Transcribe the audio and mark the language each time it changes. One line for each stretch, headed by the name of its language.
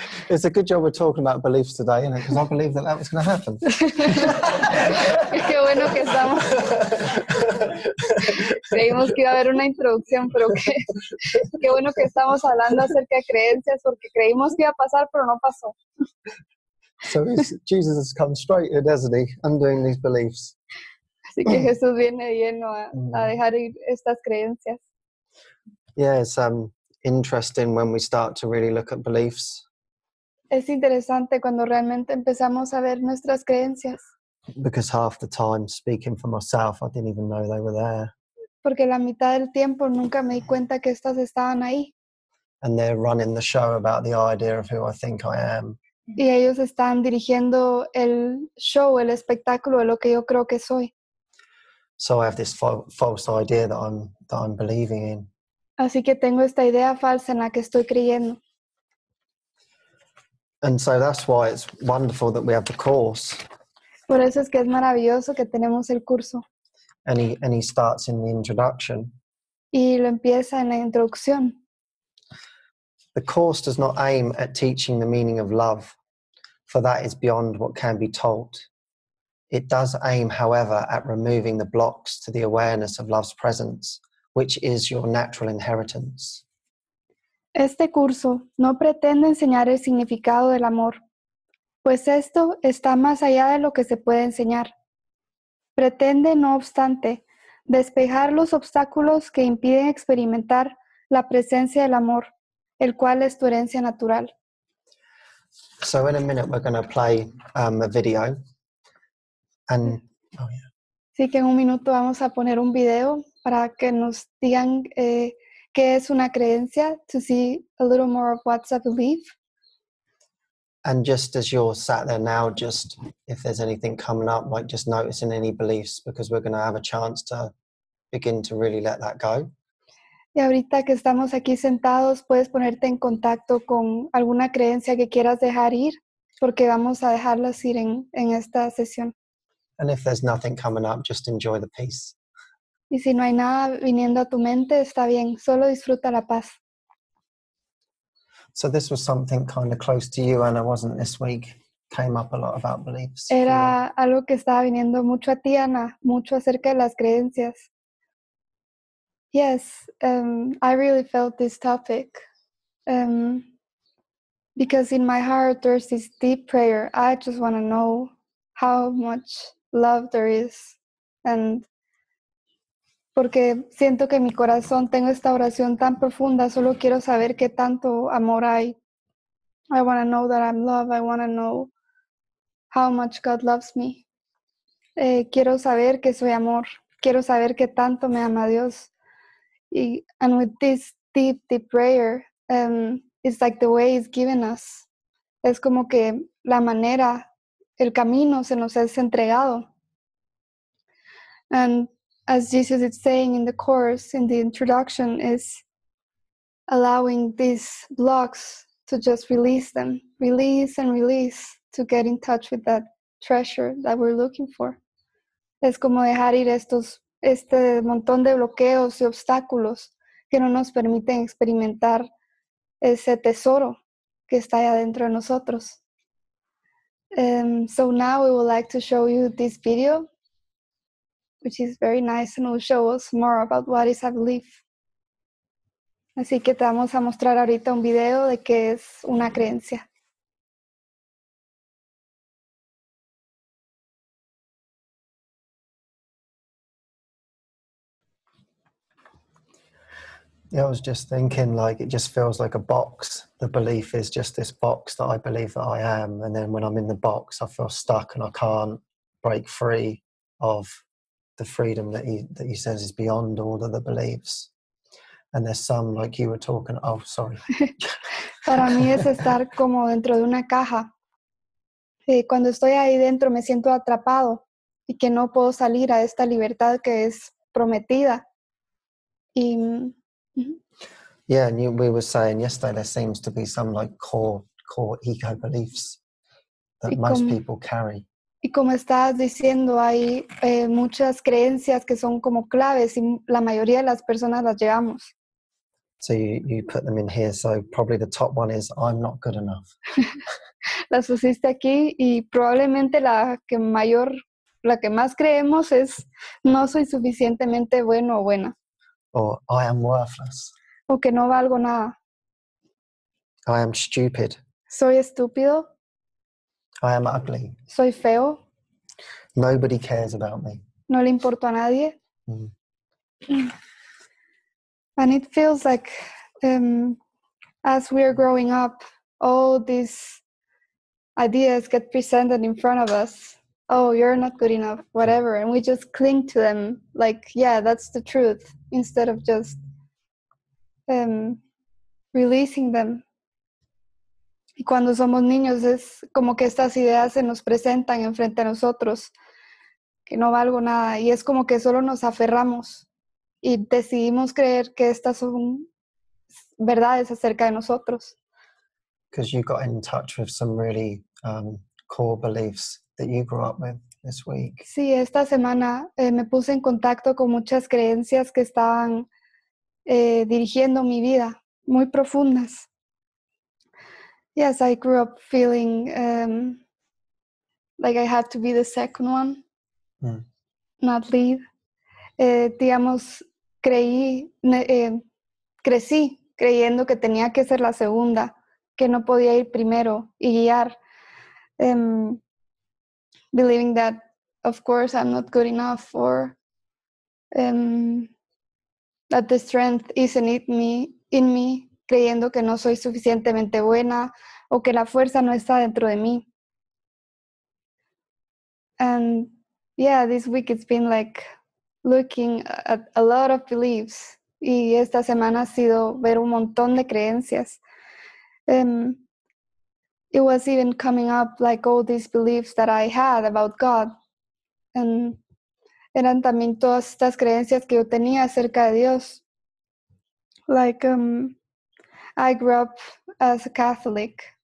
English: It's a good job we're talking about beliefs today, isn't it? Because I believe that was going to happen.
Spanish: Qué bueno que estamos. Creímos que iba a haber una introducción, pero qué bueno que estamos hablando acerca de creencias, porque creímos que iba a pasar, pero no pasó.
English: So Jesus has come straight in, hasn't he, undoing these beliefs.
Spanish: Así que Jesús viene lleno a dejar ir estas creencias.
English: Yeah, it's interesting when we start to really look at beliefs.
Spanish: Es interesante cuando realmente empezamos a ver nuestras creencias.
English: Because half the time, speaking for myself, I didn't even know they were there.
Spanish: Porque la mitad del tiempo nunca me di cuenta que estas estaban ahí.
English: And they're running the show about the idea of who I think I am.
Spanish: Y ellos están dirigiendo el show, el espectáculo de lo que yo creo que soy.
English: So I have this false idea that I'm believing in.
Spanish: Así que tengo esta idea falsa en la que estoy creyendo.
English: And so that's why it's wonderful that we have the course.
Spanish: Por eso es que es maravilloso que tenemos el curso.
English: And he starts in the introduction.
Spanish: Y lo empieza en la introducción.
English: The course does not aim at teaching the meaning of love, for that is beyond what can be taught. It does aim, however, at removing the blocks to the awareness of love's presence, which is your natural inheritance.
Spanish: Este curso no pretende enseñar el significado del amor, pues esto está más allá de lo que se puede enseñar. Pretende, no obstante, despejar los obstáculos que impiden experimentar la presencia del amor, el cual es tu herencia natural.
English: So in a minute we're going to play a video. And oh yeah.
Spanish: Sí, que en un minuto vamos a poner un video para que nos digan qué es una creencia,
English: to see a little more of what's a belief. And just as you're sat there now, just if there's anything coming up, like just noticing any beliefs, because we're going to have a chance to begin to really let that go.
Spanish: Y ahorita que estamos aquí sentados, puedes ponerte en contacto con alguna creencia que quieras dejar ir, porque vamos a dejarlas ir en esta sesión.
English: And if there's nothing coming up, just enjoy the peace.
Spanish: Y si no hay nada viniendo a tu mente, está bien, solo disfruta la paz.
English: So this was something kind of close to you, Anna, wasn't this week? Came up a lot about beliefs.
Spanish: Era algo que estaba viniendo mucho a ti, Anna, mucho acerca de las creencias.
English: Yes, I really felt this topic because in my heart there's this deep prayer. I just want to know how much love there is.
Spanish: And porque siento que en mi corazón tengo esta oración tan profunda, solo quiero saber qué tanto amor hay.
English: I want to know that I'm loved. I want to know how much God loves me.
Spanish: Quiero saber que soy amor. Quiero saber qué tanto me ama Dios.
English: And with this deep, deep prayer, it's like the way it's given us.
Spanish: Es como que la manera, el camino se nos es entregado.
English: And as Jesus is saying in the course, in the introduction, is allowing these blocks to just release them, release and release to get in touch with that treasure that we're looking for.
Spanish: Es como dejar ir estos este montón de bloqueos y obstáculos que no nos permiten experimentar ese tesoro que está allá dentro de nosotros.
English: So now we would like to show you this video, which is very nice and will show us more about what is a belief.
Spanish: Así que te vamos a mostrar ahorita un video de qué es una creencia.
English: Yeah, I was just thinking, like, it just feels like a box. The belief is just this box that I believe that I am. And then when I'm in the box, I feel stuck and I can't break free of the freedom that he says is beyond all of the beliefs. And there's some, like you were talking, oh, sorry.
Spanish: Para mí es estar como dentro de una caja. Y cuando estoy ahí dentro, me siento atrapado y que no puedo salir a esta libertad que es prometida. Y mm-hmm.
English: Yeah, and we were saying yesterday there seems to be some like core ego beliefs that most people carry.
Spanish: Y como estás diciendo, hay muchas creencias que son como claves y la mayoría de las personas las llevamos.
English: So you put them in here. So probably the top one is, I'm not good enough.
Spanish: Las pusiste aquí y probablemente la que más creemos es, no soy suficientemente bueno o buena.
English: Or, I am worthless.
Spanish: O que no valgo nada.
English: I am stupid.
Spanish: Soy estúpido.
English: I am ugly.
Spanish: Soy feo.
English: Nobody cares about me.
Spanish: No le importo a nadie.
English: And it feels like as we are growing up, all these ideas get presented in front of us. Oh, you're not good enough, whatever. And we just cling to them like, yeah, that's the truth, instead of just releasing them.
Spanish: Y cuando somos niños es como que estas ideas se nos presentan enfrente a nosotros, que no valgo nada. Y es como que solo nos aferramos y decidimos creer que estas son verdades acerca de nosotros.
English: Because you got in touch with some really core beliefs that you grew up with this week.
Spanish: Sí, esta semana me puse en contacto con muchas creencias que estaban dirigiendo mi vida, muy profundas.
English: Yes, I grew up feeling like I had to be the second one, not lead.
Spanish: Digamos, crecí creyendo que tenía que ser la segunda, que no podía ir primero y guiar.
English: Believing that, of course, I'm not good enough, or that the strength isn't in me,
Spanish: creyendo que no soy suficientemente buena, o que la fuerza no está dentro de mí.
English: And yeah, this week it's been like looking at a lot of beliefs.
Spanish: Y esta semana ha sido ver un montón de creencias.
English: It was even coming up like all these beliefs that I had about God.
Spanish: And eran también todas estas creencias que yo tenía acerca de Dios.
English: Like, I grew up as a Catholic.